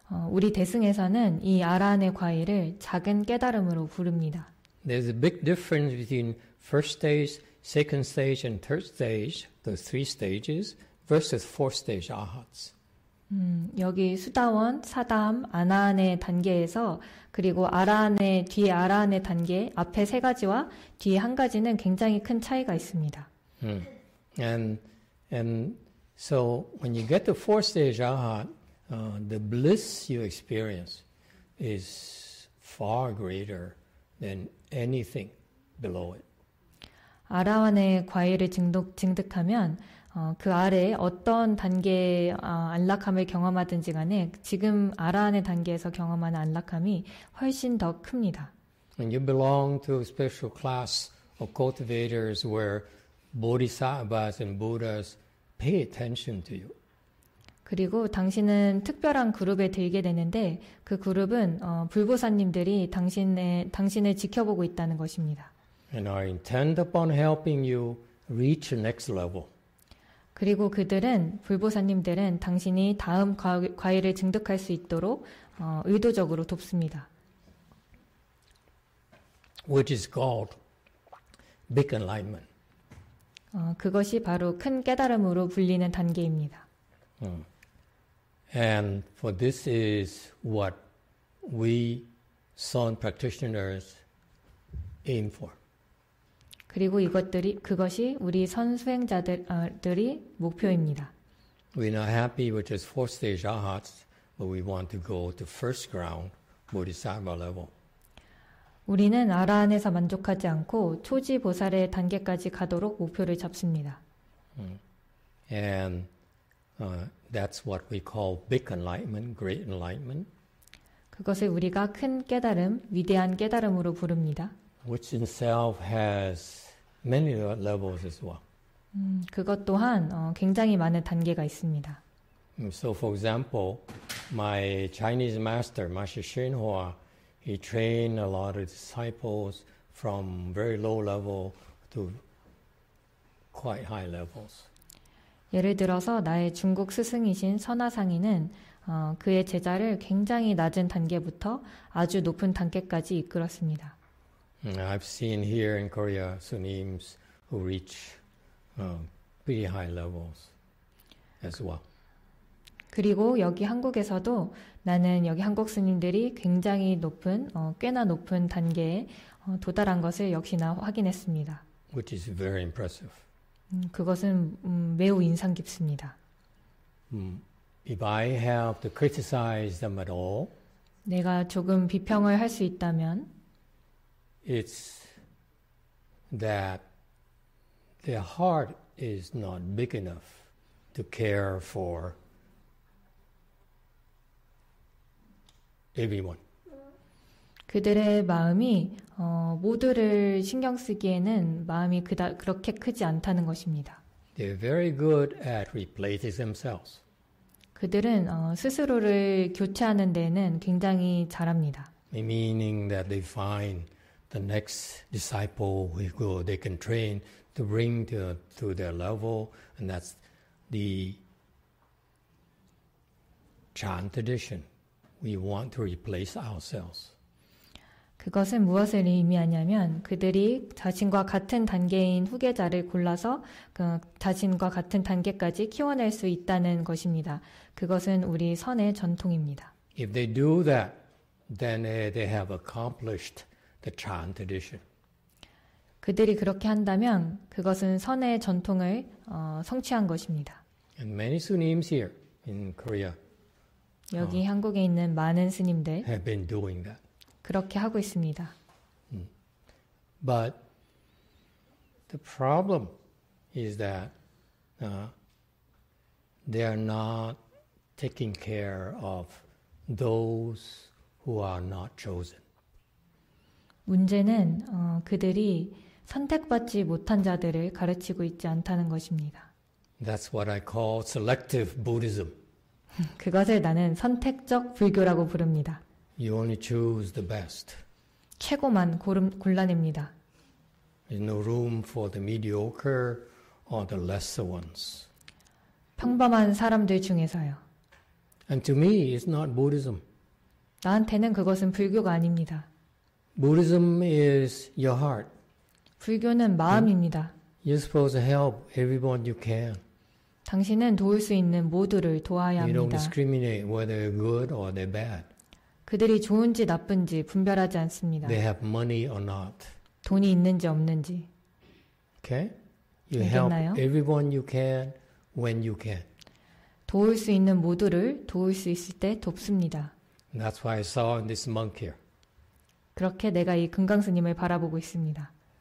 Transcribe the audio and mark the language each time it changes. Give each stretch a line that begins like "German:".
Korean: 우리 대승에서는 이 아라한의 과일을 작은 깨달음으로 부릅니다.
English: There's a big difference between first stage, second stage, and third stage, the three stages, versus fourth stage arhats.
Korean: 여기 수다원, 사담, 아라한의 단계에서 그리고 아라한의 뒤에 아라한의 단계 앞에 세 가지와 뒤에 한 가지는 굉장히 큰 차이가 있습니다.
English: And so when you get to fourth stage arhat, the bliss you experience is far greater than anything below it.
Korean: 아라한의 과일을 증득하면 그 아래 어떤 단계의 안락함을 경험하든지 간에 지금 아라한의 단계에서 경험하는 안락함이 훨씬 더 큽니다.
English: And you belong to a special class of cultivators where bodhisattvas and buddhas pay attention to you.
Korean: 그리고 당신은 특별한 그룹에 들게 되는데 그 그룹은 불보사님들이 당신을 지켜보고 있다는 것입니다.
English: And I intend upon helping you reach the next level.
Korean: 그리고 그들은 불보사님들은 당신이 다음 과일을 증득할 수 있도록 의도적으로 돕습니다.
English: Which is called big enlightenment.
Korean: 그것이 바로 큰 깨달음으로 불리는 단계입니다.
English: And for this is what we Seon practitioners aim for.
Korean: 그리고 그것이 우리 선 수행자들이 목표입니다.
English: We're not happy with just fourth stage arhats, but we want to go to first ground, bodhisattva level.
Korean: 우리는 아라한에서 만족하지 않고 초지 보살의 단계까지 가도록 목표를 잡습니다.
English: And that's what we call big enlightenment, great enlightenment.
Korean: 그것을 우리가 큰 깨달음, 위대한 깨달음으로 부릅니다.
English: Which itself has many levels as well.
Korean: 그것 또한 굉장히 많은 단계가 있습니다.
English: So for example, my Chinese master, Master Shen Hua, he trained a lot of disciples from very low level to quite high levels.
Korean: 예를 들어서 나의 중국 스승이신 선화상인은 그의 제자를 굉장히 낮은 단계부터 아주 높은 단계까지 이끌었습니다.
English: I've seen here in Korea sunims who reach pretty high levels as well.
Korean: 그리고 여기 한국에서도 나는 여기 한국 스님들이 굉장히 높은 꽤나 높은 단계에 도달한 것을 역시나 확인했습니다.
English: Which is very impressive.
Korean: 그것은 매우 인상 깊습니다.
English: If I have to criticize them at all,
Korean: 내가 조금 비평을 할 수 있다면.
English: It's that their heart is not big enough to care for everyone.
Korean: 그들의 마음이 모두를 신경 쓰기에는 마음이 그렇게 크지 않다는 것입니다.
English: They're very good at replacing themselves.
Korean: 그들은 스스로를 교체하는 데는 굉장히 잘합니다.
English: Meaning that they find the next disciple who they can train to bring to their level, and that's the Chan tradition. We want to replace ourselves.
Korean: 그것은 무엇을 의미하냐면 그들이 자신과 같은 단계인 후계자를 골라서 그 자신과 같은 단계까지 키워낼 수 있다는 것입니다. 그것은 우리 선의 전통입니다.
English: If they do that, then they have accomplished the Chan tradition.
Korean: 그들이 그렇게 한다면 그것은 선의 전통을 성취한 것입니다.
English: And many sunims here in Korea.
Korean: 여기 한국에 있는 많은 스님들
English: have been doing that.
Korean: 그렇게 하고 있습니다.
English: But the problem is that they are not taking care of those who are not chosen.
Korean: 문제는 그들이 선택받지 못한 자들을 가르치고 있지 않다는 것입니다.
English: That's what I call selective Buddhism.
Korean: 그것을 나는 선택적 불교라고 부릅니다.
English: You only choose the best.
Korean: 최고만 골라냅니다.
English: There's no room for the mediocre or the lesser ones.
Korean: 평범한 사람들 중에서요.
English: And to me, it's not Buddhism.
Korean: 나한테는 그것은 불교가 아닙니다.
English: Buddhism is your heart.
Korean: 불교는 마음입니다.
English: You're supposed to help everyone you can.
Korean: 당신은 도울 수 있는 모두를 도와야 합니다.
English: You don't discriminate whether they're good or they're bad.
Korean: 그들이 좋은지 나쁜지 분별하지 않습니다.
English: They have money or not.
Korean: 돈이 있는지 없는지.
English: Okay? You help everyone you can when you can.
Korean: 도울 수 있는 모두를 도울 수 있을 때 돕습니다.
English: That's why I saw this monk here.
Korean: 그렇게 내가 이 금강 스님을 바라보고 있습니다.